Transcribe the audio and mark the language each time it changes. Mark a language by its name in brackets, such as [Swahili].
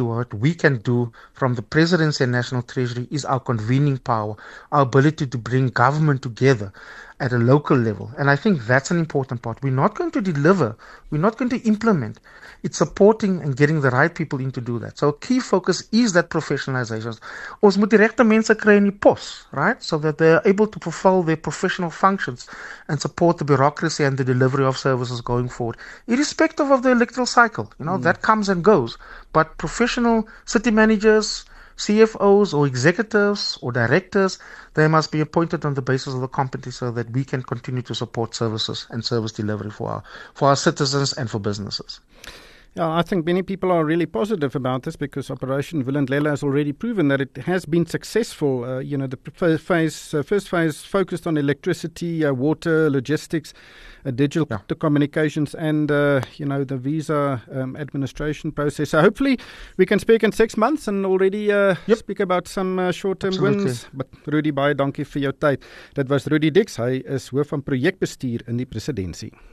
[English] What we can do from the presidency and national treasury is our convening power, our ability to bring government together at a local level. And I think that's an important part. We're not going to deliver. We're not going to implement. It's supporting and getting the right people in to do that. So a key focus is that professionalization. [Afrikaans] Ons moet die regte mense kry in die pos, right? [English] So that they're able to fulfill their professional functions and support the bureaucracy and the delivery of services going forward, irrespective of the electoral cycle. You know, that comes and goes. But professional city managers, CFOs or executives or directors, they must be appointed on the basis of the competency so that we can continue to support services and service delivery for our citizens and for businesses. Yeah, I think many people are really positive about this because Operation Vulindlela has already proven that it has been successful. The first phase focused on electricity, water, logistics, digital communications, and the visa administration process. So hopefully we can speak in 6 months and already speak about some short-term wins. [Afrikaans] But Rudy, baie dankie vir jou tyd. Dit was Rudy Dix. Hy is hoof van projekbestuur in die presidentie.